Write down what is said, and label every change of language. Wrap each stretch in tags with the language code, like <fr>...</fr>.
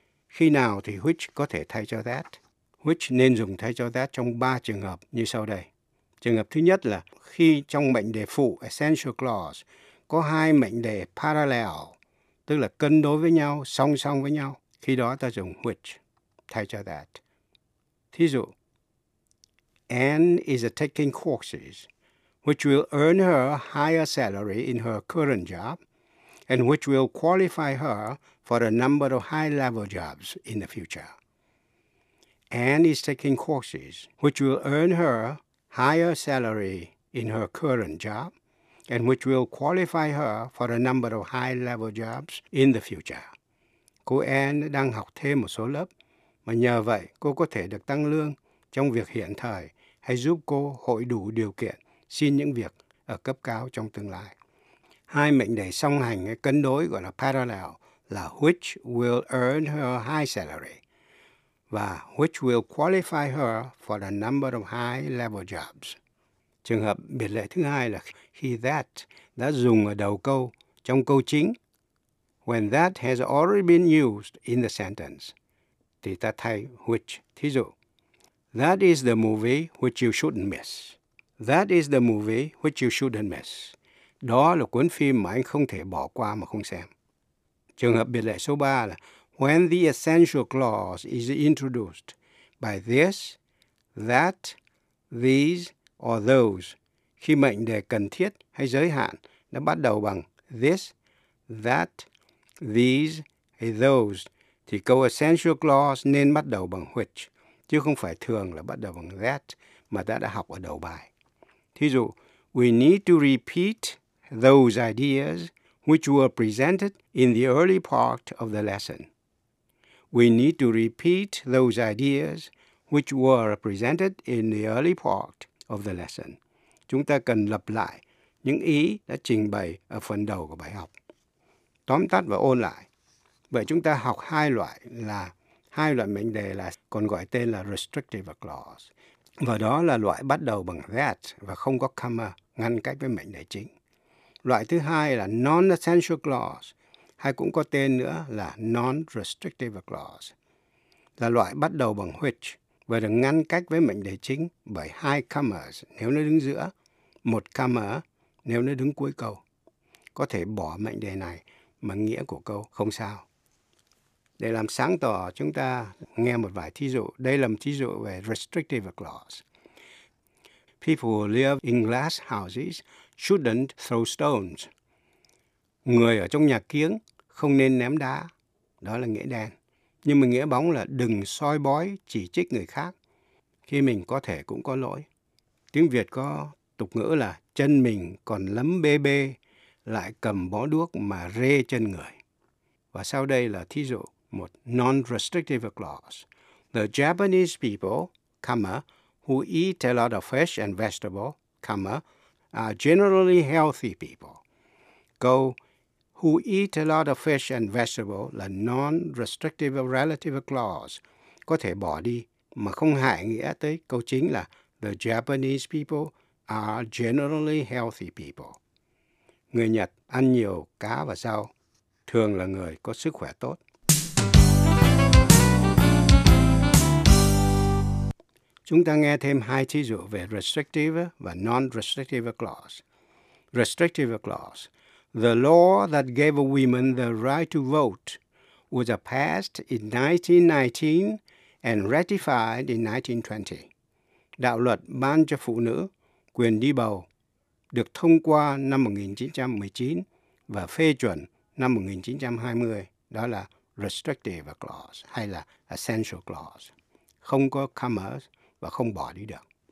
<vi>Khi nào thì which có thể thay cho that? Which nên dùng thay cho that trong 3 trường hợp như sau đây. Trường hợp thứ nhất là khi trong mệnh đề phụ essential clause có hai mệnh đề parallel, tức là cân đối với nhau, song song với nhau, khi đó ta dùng which thay cho that. Thí dụ,</vi> <en>Anne is taking courses which will earn her higher salary in her current job and which will qualify her for a number of high-level jobs in the future. Anne is taking courses which will earn her higher salary in her current job and which will qualify her for a number of high-level jobs in the future.</en> <vi>Cô Anne đang học thêm một số lớp, mà nhờ vậy cô có thể được tăng lương trong việc hiện thời hay giúp cô hội đủ điều kiện xin những việc ở cấp cao trong tương lai. Hai mệnh đề song hành hay cân đối gọi là</vi> <en>parallel là which will earn her high salary và which will qualify her for a number of high-level jobs.</en> <vi>Trường hợp biệt lệ thứ hai là khi that đã dùng ở đầu câu, trong câu chính.</vi> <en>When that has already been used in the sentence,</en> <vi>thì ta thay</vi> <en>which.</en> <vi>Thí dụ,</vi> <en>that is the movie which you shouldn't miss. That is the movie which you shouldn't miss.</en> <vi>Đó là cuốn phim mà anh không thể bỏ qua mà không xem. Trường hợp biệt lệ số 3 là</vi> <en>when the essential clause is introduced by this, that, these, or those,</en> <vi>khi mệnh đề cần thiết hay giới hạn đã bắt đầu bằng this, that, these, hay those, thì câu essential clause nên bắt đầu bằng which, chứ không phải thường là bắt đầu bằng that mà ta đã học ở đầu bài. Thí dụ,</vi> <en>we need to repeat those ideas which were presented in the early part of the lesson. We need to repeat those ideas which were presented in the early part of the lesson.</en> <vi>Chúng ta cần lặp lại những ý đã trình bày ở phần đầu của bài học. Tóm tắt và ôn lại. Vậy chúng ta học hai loại mệnh đề là còn gọi tên là restrictive clause. Và đó là loại bắt đầu bằng that và không có comma ngăn cách với mệnh đề chính. Loại thứ hai là non-essential clause, hay cũng có tên nữa là non-restrictive clause, là loại bắt đầu bằng which và được ngăn cách với mệnh đề chính bởi hai commas nếu nó đứng giữa, một comma nếu nó đứng cuối câu. Có thể bỏ mệnh đề này mà nghĩa của câu không sao. Để làm sáng tỏ, chúng ta nghe một vài thí dụ. Đây là một thí dụ về restrictive clause.</vi> <en>People who live in glass houses shouldn't throw stones.</en> <vi>Người ở trong nhà kiếng không nên ném đá. Đó là nghĩa đen. Nhưng mà nghĩa bóng là đừng soi bói chỉ trích người khác khi mình có thể cũng có lỗi. Tiếng Việt có tục ngữ là chân mình còn lấm bê bê, lại cầm bó đuốc mà rê chân người. Và sau đây là thí dụ một non-restrictive clause.</vi> <en>The Japanese people, comma, who eat a lot of fish and vegetables, comma, are generally healthy people. Câu who eat a lot of fish and vegetables là non-restrictive relative clause,</en> <vi>có thể bỏ đi mà không hại nghĩa tới câu chính là</vi> <en>the Japanese people are generally healthy people.</en> <vi>Người Nhật ăn nhiều cá và rau, thường là người có sức khỏe tốt. Chúng ta nghe thêm hai thí dụ về restrictive và non-restrictive clause.</vi> <en>Restrictive clause. The law that gave women the right to vote was passed in 1919 and ratified in 1920.</en> <vi>Đạo luật ban cho phụ nữ quyền đi bầu được thông qua năm 1919 và phê chuẩn năm 1920. Đó là restrictive clause hay là essential clause. Không có commas và không bỏ đi được.</vi>